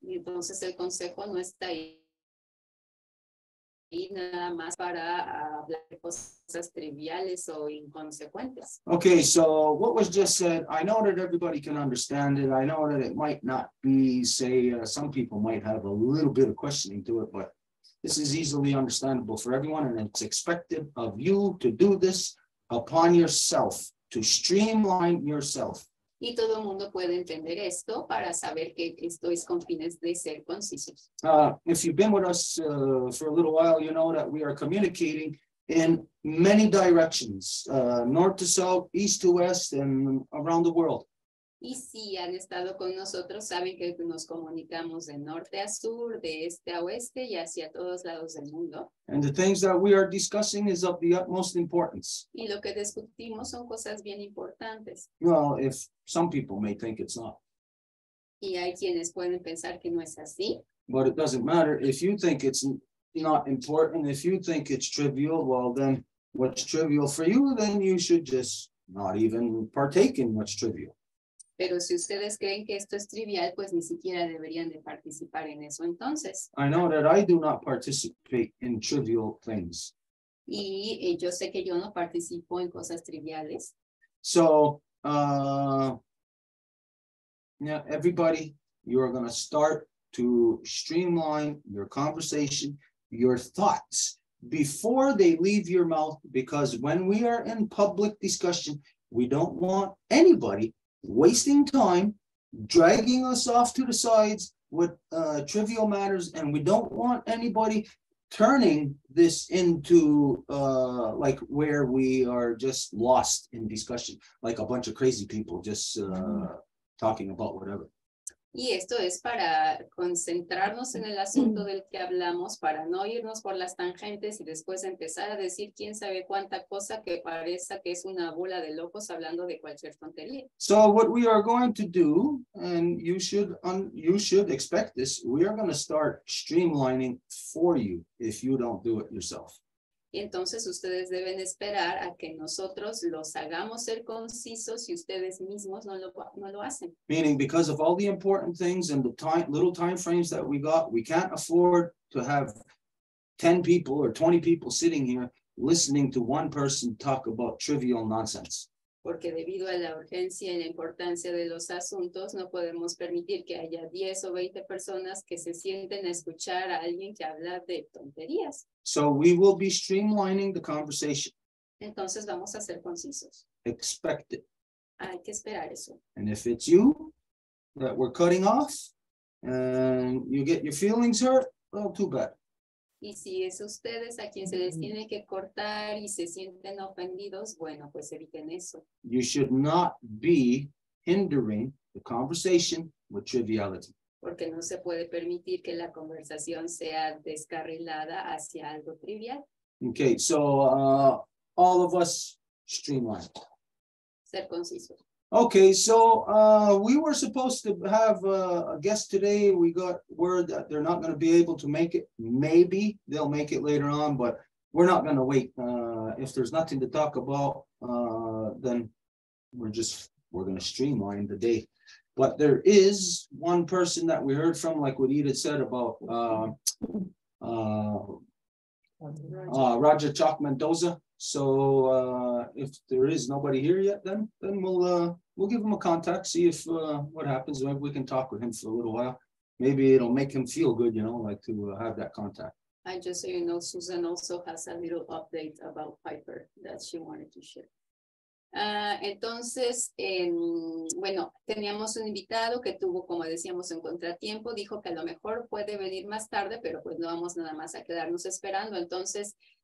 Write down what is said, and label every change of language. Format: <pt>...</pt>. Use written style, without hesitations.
<es>Entonces el consejo no está ahí y nada más para hablar cosas triviales o inconsecuentes.</es> <en>Okay, so what was just said, I know that everybody can understand it. I know that it might not be, say, some people might have a little bit of questioning to it, but this is easily understandable for everyone, and it's expected of you to do this upon yourself, to streamline yourself.</en> <es>Y todo el mundo puede entender esto para saber que esto es con fines de ser concisos.</es> <en>If you've been with us for a little while, you know that we are communicating in many directions, north to south, east to west, and around the world.</en> <es>Y si han estado con nosotros, saben que nos comunicamos de norte a sur, de este a oeste y hacia todos lados del mundo.</es> <en>And the things that we are discussing is of the utmost importance.</en> <es>Y lo que discutimos son cosas bien importantes.</es> <en>Well, if some people may think it's not.</en> <es>Y hay quienes pueden pensar que no es así.</es> <en>But it doesn't matter. If you think it's not important, if you think it's trivial, well then, what's trivial for you, then you should just not even partake in what's trivial.</en> <es>Pero si ustedes creen que esto es trivial, pues ni siquiera deberían de participar en eso entonces.</es> <en>I know that I do not participate in trivial things.</en> <es>Y yo sé que yo no participo en cosas triviales.</es> <en>So, yeah, everybody, you are going to start to streamline your conversation, your thoughts, before they leave your mouth, because when we are in public discussion, we don't want anybody wasting time, dragging us off to the sides with trivial matters, and we don't want anybody turning this into like where we are just lost in discussion, like a bunch of crazy people just talking about whatever.</en> <es>Y esto es para concentrarnos en el asunto del que hablamos, para no irnos por las tangentes y después empezar a decir quién sabe cuánta cosa que parece que es una bola de locos hablando de cualquier tontería.</es> <en>So what we are going to do, and you should expect this, we are going to start streamlining for you if you don't do it yourself.</en> <es>Entonces ustedes deben esperar a que nosotros los hagamos ser concisos si ustedes mismos no lo hacen.</es> <en>Meaning, because of all the important things and the time, little time frames that we got, we can't afford to have 10 people or 20 people sitting here listening to one person talk about trivial nonsense.</en> <es>Porque debido a la urgencia y la importancia de los asuntos, no podemos permitir que haya 10 o 20 personas que se sienten a escuchar a alguien que habla de tonterías.</es> <en>So we will be streamlining the conversation.</en> <es>Entonces vamos a ser concisos.</es> <en>Expect it.</en> <es>Hay que esperar eso.</es> <en>And if it's you that we're cutting off and you get your feelings hurt, well, too bad.</en> <es>Y si es ustedes a quien se les tiene que cortar y se sienten ofendidos, bueno, pues eviten eso.</es> <en>You should not be hindering the conversation with triviality.</en> <es>Porque no se puede permitir que la conversación sea descarrilada hacia algo trivial.</es> <en>Okay, so all of us streamlined.</en> <es>Ser conciso.</es> <en>Okay, so we were supposed to have a guest today. We got word that they're not going to be able to make it. Maybe they'll make it later on, but we're not going to wait. If there's nothing to talk about, then we're going to streamline the day. But there is one person that we heard from, like what Edith said about Roger Chalk Mendoza. So if there is nobody here yet, then we'll give him a contact, see if what happens. Maybe we can talk with him for a little while. Maybe it'll make him feel good, you know, like to have that contact. And just so you know, Susan also has a little update about Piper that she wanted to share.</en> <es>Entonces, bueno, teníamos un invitado que tuvo, como decíamos, un contratiempo. Dijo que a lo mejor puede venir más tarde, pero pues no vamos nada más a quedarnos esperando. Entonces,</es>